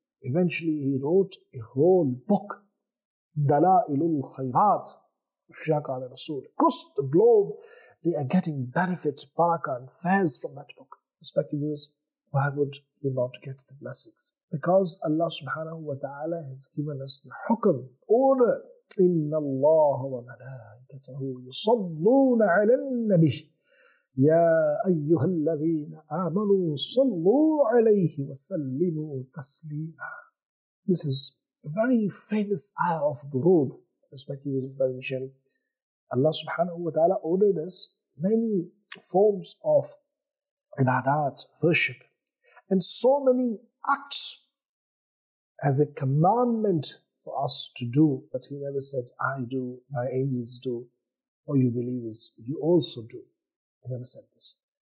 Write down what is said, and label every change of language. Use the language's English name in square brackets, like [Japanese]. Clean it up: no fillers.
[English] Eventually, he wrote a whole book, Dala'ilul Khairat, Shaka al-Rasul. Across the globe, they are getting benefits, barakah, and fares from that book. Respected viewers, why would we not get the blessings? Because Allah subhanahu wa ta'ala has given us the hukm, order. [Arabic] إن الله وملائكته يصلون على النبي يا أيها الذين آمنوا صلوا عليه وسلموا تسليما. [English] This is a very famous ayah of durood, respected viewers of the nation. Allah subhanahu wa ta'ala ordered us many forms of ibadat, worship, and so many acts as a commandment for us to do, but he never said, I do, my angels do, or you believers, you also do. He never said this.